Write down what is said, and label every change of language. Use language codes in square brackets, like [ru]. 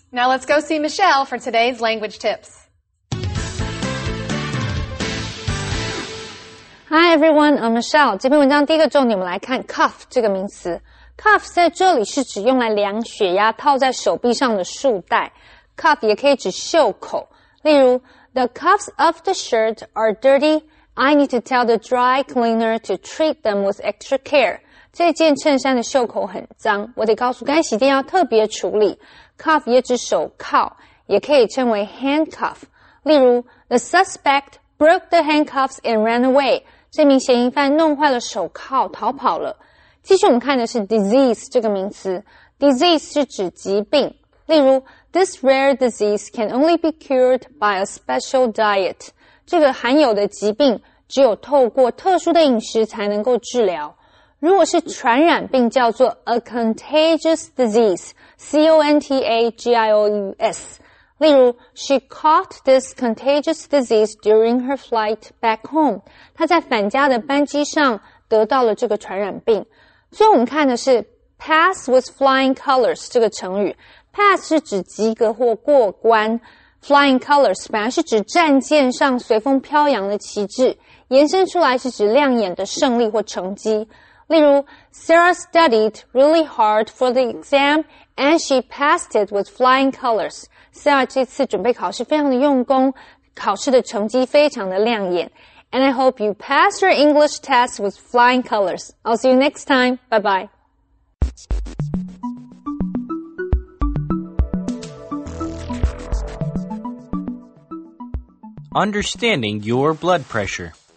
[en] Now let's go see Michelle for today's language tips. Hi everyone, I'm Michelle. [zh] 这篇文章第一个重点我们来看 cuff 这个名词。Cuff 在这里是指用来量血压套在手臂上的束带。 Cuff 也可以指袖口。例如 [en] ,The cuffs of the shirt are dirty. I need to tell the dry cleaner to treat them with extra care. [zh] 这件衬衫的袖口很脏,我得告诉干洗店要特别处理。 Cuff 也指手铐,也可以称为 handcuff。例如 [en] ,The suspect broke the handcuffs and ran away. [zh] 这名嫌疑犯弄坏了手铐逃跑了。继续我们看的是 disease 这个名词。disease 是指疾病。例如 [en] ,this rare disease can only be cured by a special diet. [zh] 这个罕有的疾病只有透过特殊的饮食才能够治疗。如果是传染病叫做 a contagious disease, C-O-N-T-A-G-I-O-U-S。例如 [en] ,she caught this contagious disease during her flight back home. [zh] 她在返家的班机上得到了这个传染病。所以我们看的是 pass with flying colors 这个成语。 pass 是指及格或过关。flying colors 本来是指战舰上随风飘扬的旗帜。延伸出来是指亮眼的胜利或成绩。例如 [en] ,Sarah studied really hard for the exam and she passed it with flying colors. [zh] Sarah 这次准备考试非常的用功，考试的成绩非常的亮眼。 [en] And I hope you pass your English test with flying colors. I'll see you next time. Bye-bye. Understanding your blood pressure.